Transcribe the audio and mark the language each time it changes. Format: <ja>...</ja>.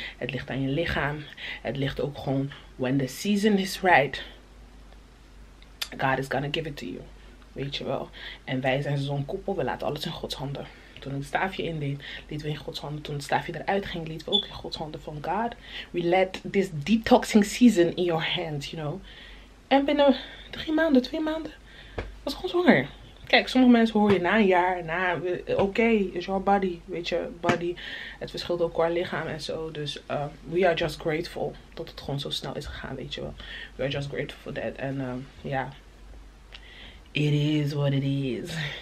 <nl>Het ligt aan je lichaam. Het ligt ook gewoon,</nl> <en>when the season is right, God is gonna give it to you.</en> <nl>Weet je wel. En wij zijn zo'n koepel, we laten alles in Gods handen. Toen ik het staafje indeed, lieten we in Gods handen. Toen het staafje eruit ging, lieten we ook in Gods handen. Van God,</nl> <en>we let this detoxing season in your hands, you know.</en> <nl>En binnen 3 maanden, 2 maanden, was ik gewoon zwanger. Kijk, sommige mensen hoor je na een jaar, na, oké,</nl> <en>is your body,</en> <nl>weet je, body. Het verschilt ook qua lichaam en zo. Dus</nl> <en>we are just grateful</en> <nl>dat het gewoon zo snel is gegaan, weet je wel.</nl> <en>We are just grateful for that.</en> <nl>En ja,</nl> <en>yeah. It is what it is.</en>